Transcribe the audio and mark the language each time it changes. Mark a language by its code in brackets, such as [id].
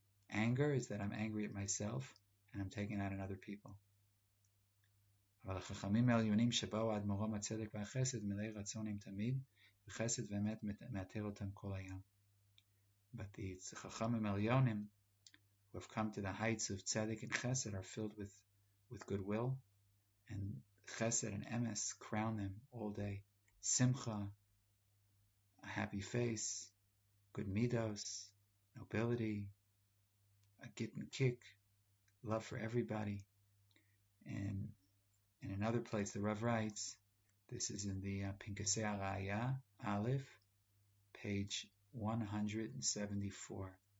[en] Anger is that I'm angry at myself, and I'm taking it out on other people. [he] אבל החכמים העליונים שבאו עד מרום הצדק והחסד מלאי רצון הם תמיד, וחסד ואמת מאתר אותם כל היום. [en] But the [he] חכמים העליונים, [en] who have come to the heights of tzedek and chesed, are filled with goodwill, and chesed and emes crown them all day. Simcha, a happy face, good midos, nobility, a git and kick, love for everybody, and in another place, the Rav writes, this is in the Pinkasei Araya, Aleph, page 174.